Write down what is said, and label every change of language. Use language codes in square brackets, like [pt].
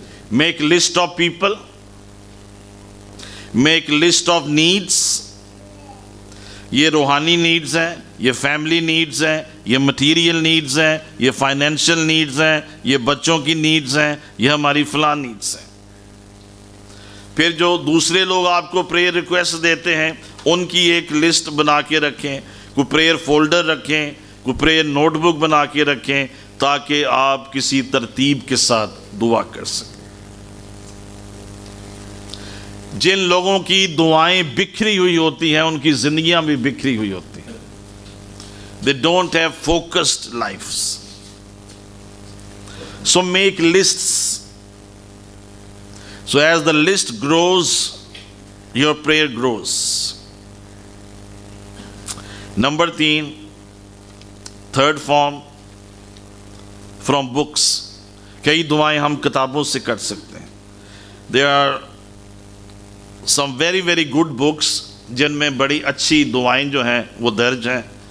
[en] Make list of people. Make list of needs. [hi] Ye rohani needs hain, ye family needs hain, ye material needs hain, ye financial needs hain, ye bachchon ki needs hain, ye hamari falan needs hain. Phir jo dusre log aapko prayer request dete hain, उनकी एक list बना के रखें, कोई prayer folder रखें, कोई prayer notebook बना के रखें, ताकि आप किसी तरतीब के साथ दुआ कर सकें. जिन लोगों की दुआएं बिखरी हुई होती हैं उनकी जिंदगियां भी बिखरी हुई होती हैं. [en] They don't have focused lifes. So make lists. So as the list grows your prayer grows. Number three, third form, from books. [hi] Kai duaen hum kitabon se kar sakte hain. [en] There are some very very good books [hi] jin mein badi achhi duaen jo hain wo darj hain.